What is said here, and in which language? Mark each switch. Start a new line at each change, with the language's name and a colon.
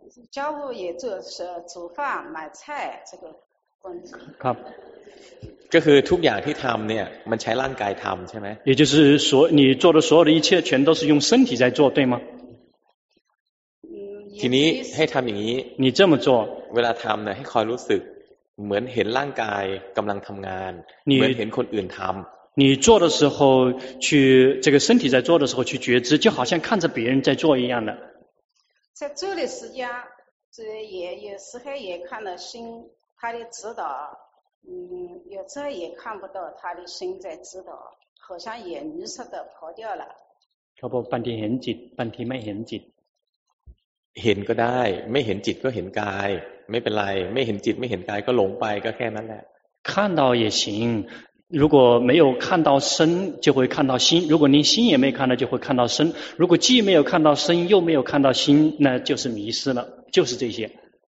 Chinese: 家务也做是煮饭、买菜这个工
Thai: 作。ครับ。 ก็คือทุกอย่างที่ทำเนี่ยมันใช้ร่างกายทำใช่ไหม？
Chinese: 也就是说，你做的所有的一切全都是用身体在做，对吗？
Thai: ทีนี้ให้ทำอย่างนี้
Chinese: 你这么做
Thai: เวลาทำเนี่ยให้คอยรู้สึกเหมือนเห็นร่างกายกำลังทำงานเหมือนเห็นคนอื่นทำ
Chinese: 你做的时候去这个身体在做的时候去觉知就好像看着别人在做一样的在做的时间这也有时候也看到心他的指导有时候也看不到他的心在指导好像也迷失的跑掉了可不半天很紧半天没很紧
Thai: เห็นก็ได้ไม่เห็นจิตก็เห็นกายไม่เป็นไรไม่เห็นจิตไม่เห็นกายก็หลงไปก็แค่นั้นแหละ
Chinese: 看到也行如果没有看到身就会看到心如果你心也没看到就会看到身如果既没有看到身又没有看到心那就是迷失了就是这些